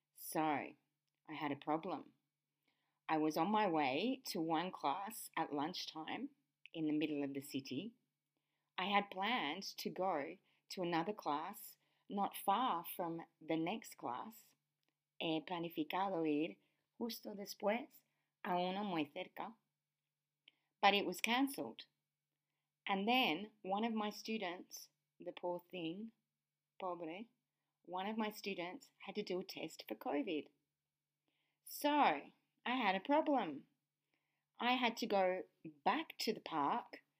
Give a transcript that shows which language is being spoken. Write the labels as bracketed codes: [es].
[en] So I had a problem. I was on my way to one class at lunchtime in the middle of the city. I had planned to go to another class not far from the next class. [es] He planificado ir justo después a uno muy cerca. [en] But it was cancelled. And then one of my students, the poor thing, pobre, one of my students had to do a test for COVID. So I had a problem. I had to go back to the park.